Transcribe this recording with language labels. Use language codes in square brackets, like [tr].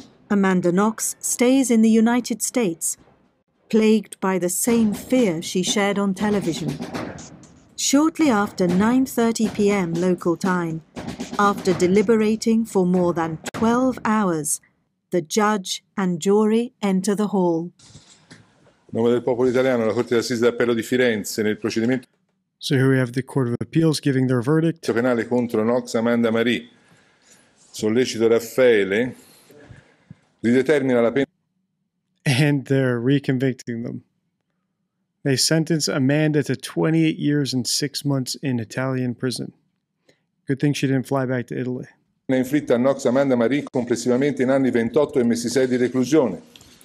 [en] Amanda Knox stays in the United States, plagued by the same fear she shared on television. Shortly after 9:30 p.m. local time, after deliberating for more than 12 hours, the judge and jury enter the hall. [it] Nome del popolo italiano, la Corte d'Assise d'Appello di Firenze, nel procedimento. [en] So here we have the Court of Appeals giving their verdict. [it] Penale contro Knox Amanda Marie. Sollecito Raffaele. Ridetermina la pena. [en] And they're reconvicting them. They sentence Amanda to 28 years and 6 months in Italian prison. Good thing she didn't fly back to Italy. [it] Ne inflitta a Knox Amanda Marie complessivamente in anni 28 e mesi 6 di reclusione.